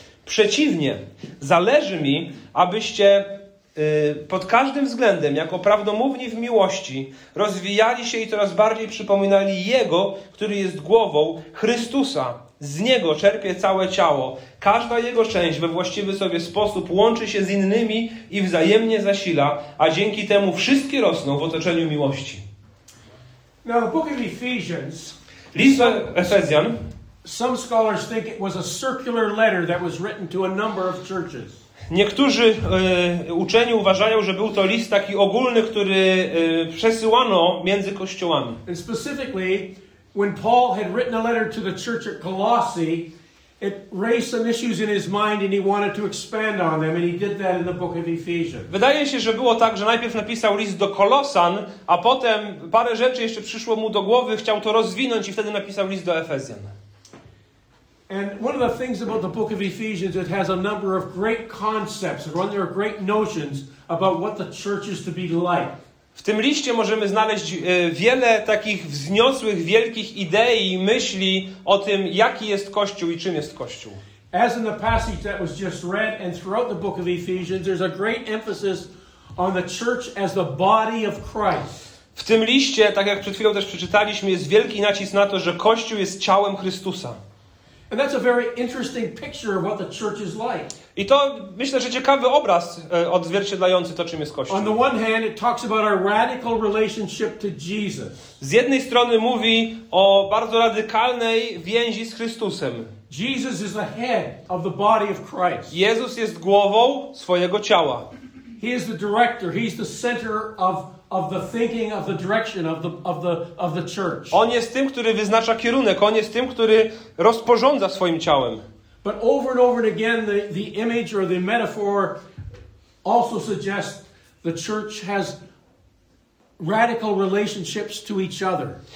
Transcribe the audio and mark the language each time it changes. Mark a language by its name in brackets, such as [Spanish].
[Polish] Przeciwnie, zależy mi, abyście pod każdym względem, jako prawdomówni w miłości, rozwijali się i coraz bardziej przypominali Jego, który jest głową, Chrystusa. Z Niego czerpie całe ciało. Każda Jego część we właściwy sobie sposób łączy się z innymi i wzajemnie zasila, a dzięki temu wszystkie rosną w otoczeniu miłości. [English] Now, the book of Ephesians, [Polish] list do Efezjan. [English] Some scholars think it was a circular letter that was written to a number of churches. [Polish] Niektórzy uczeni uważają, że był to list taki ogólny, który przesyłano między kościołami. [English] And specifically, when Paul had written a letter to the church at Colossae, it raised some issues in his mind and he wanted to expand on them and he did that in the book of Ephesians. [Polish] Wydaje się, że było tak, że najpierw napisał list do Kolosan, a potem parę rzeczy jeszcze przyszło mu do głowy, chciał to rozwinąć i wtedy napisał list do Efezjan. [English] And one of the things about the book of Ephesians, it has a number of great concepts, or there are great notions about what the church is to be like. [Polish] W tym liście możemy znaleźć wiele takich wzniosłych, wielkich idei i myśli o tym, jaki jest Kościół i czym jest Kościół. [English] As in the passage that was just read and throughout the book of Ephesians, there's a great emphasis on the church as the body of Christ. [Polish] W tym liście, tak jak przed chwilą też przeczytaliśmy, jest wielki nacisk na to, że Kościół jest ciałem Chrystusa. [English] And that's a very interesting picture of what the church is like. [Polish] I to, myślę, że ciekawy obraz odzwierciedlający to, czym jest Kościół. [English] On the one hand, it talks about our radical relationship to Jesus. [Polish] Z jednej strony mówi o bardzo radykalnej więzi z Chrystusem. [English] Jesus is the head of the body of Christ. [Polish] Jezus jest głową swojego ciała. [English] He is the director. He's the center of the thinking, of the direction of the church. [Polish] On jest tym, który wyznacza kierunek. On jest tym, który rozporządza swoim ciałem. [English] But over and over again, the image or the metaphor also suggests the church has radical relationships to each other.